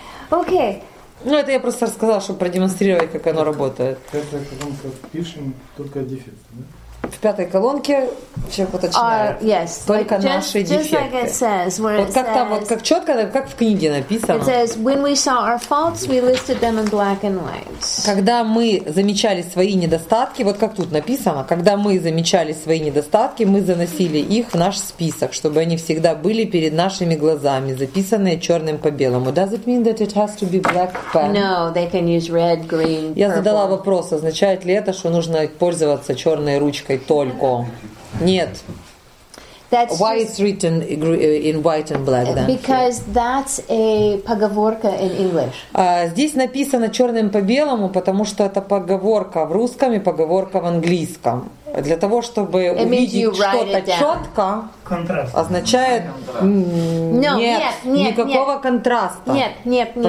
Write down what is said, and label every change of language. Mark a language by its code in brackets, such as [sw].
[ru] Окей. Ну, это я просто рассказала, чтобы продемонстрировать, как оно работает. Это потом пишем только дефект, да? в пятой колонке, человек уточняет, только наши дефекты. Вот как там, вот как четко, как в книге написано. [en] It says, when we saw our faults, we listed them in black and white. [ru] Когда мы замечали свои недостатки, вот как тут написано, когда мы замечали свои недостатки, мы заносили их в наш список, чтобы они всегда были перед нашими глазами, записанные черным по белому. [en] Does it mean that it has to be black pen? No, they can use red, green, purple. [ru] Я задала вопрос, означает ли это, что нужно пользоваться черной ручкой? Только нет. [en] That's why it's written in white and black then? Because that's a [ru] поговорка [en] in English. [ru] Здесь написано черным по белому, потому что это поговорка в русском и поговорка в английском. Для того, чтобы увидеть что-то четко, означает никакого контраста. Нет, нет, нет.